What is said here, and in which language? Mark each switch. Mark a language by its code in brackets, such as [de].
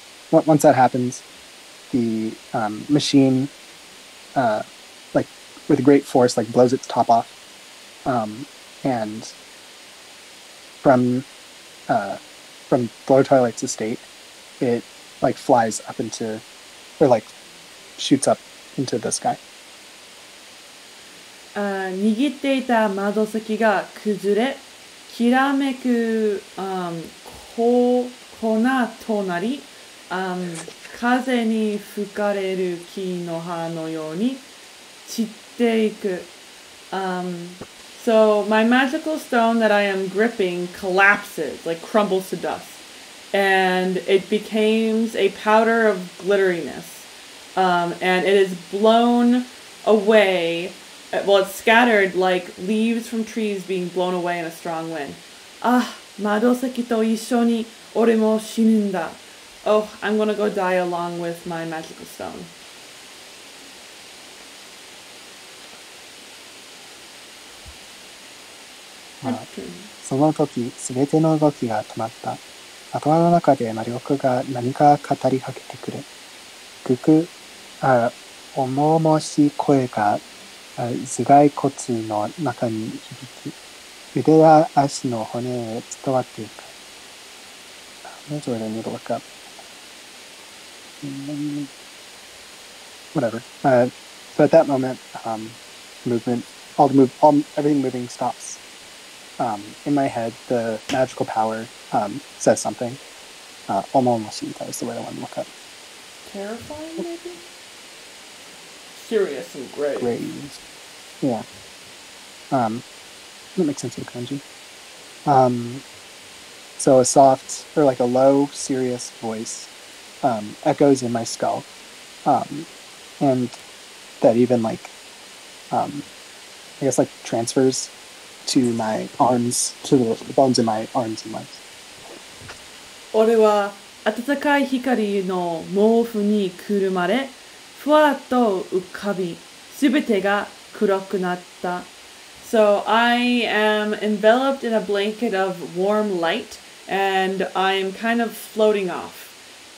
[en] once that happens, the machine like with great force like blows its top off, and from Floor Twilight's estate, it like flies up into, or like shoots up into the sky. [ja] 握っていた窓石が崩れ、きらめく粉となり、風に吹かれる木の葉のように散っていく。 [en] So my magical stone that I am gripping collapses, like crumbles to dust, and it becomes a powder of glitteriness. And it is blown away, well, it's scattered like leaves from trees being blown away in a strong wind. [ja] Ah, 窓崎と一緒に俺も死ぬんだ。 [en] Oh, I'm gonna go die along with my magical stone. [ja] その時、すべての動きが止まった。頭の中で魔力が何か語りかけてくる。くく。重々しい声が頭蓋骨の中に響き、腕や足の骨へ伝わっていく。 [en] I'm not sure if I need to look up. Whatever. So at that moment, everything moving stops. In my head, the magical power says something. Omomoshii, that was the word I wanted to look up. Terrifying, maybe? Serious and grave. Yeah. That makes sense with kanji. So a soft, or like a low, serious voice echoes in my skull. And that even like, I guess like transfers to my arms, to the bones in my arms and legs. [ja] 俺は暖かい光の毛布にくるまれ、ふわっと浮かび、すべてが黒くなった。 [en] So I am enveloped in a blanket of warm light, and I am kind of floating off.